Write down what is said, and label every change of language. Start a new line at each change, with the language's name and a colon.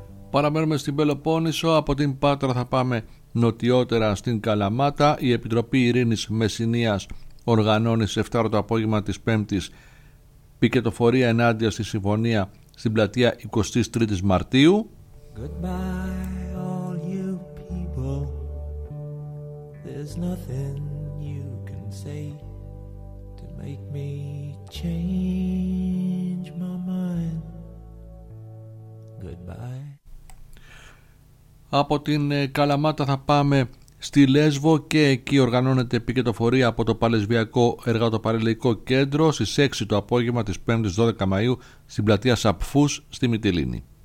Greek: Παραμένουμε στην Πελοπόννησο, από την Πάτρα θα πάμε νοτιότερα στην Καλαμάτα. Η Επιτροπή Ειρήνης Μεσσηνίας οργανώνει σε 7 το απόγευμα της 5ης πικετοφορία ενάντια στη συμφωνία στην πλατεία 23 Μαρτίου.
English: Goodbye, all you people. There's nothing you can say to make me change my mind. Goodbye.
Greek: Από την Καλαμάτα θα πάμε στη Λέσβο και εκεί οργανώνεται πικετοφορία από το Παλαισβιακό Εργατοπαλαιλαϊκό Κέντρο στις 6 το απόγευμα της 5ης 12 Μαΐου στην πλατεία Σαπφούς στη Μυτιλίνη.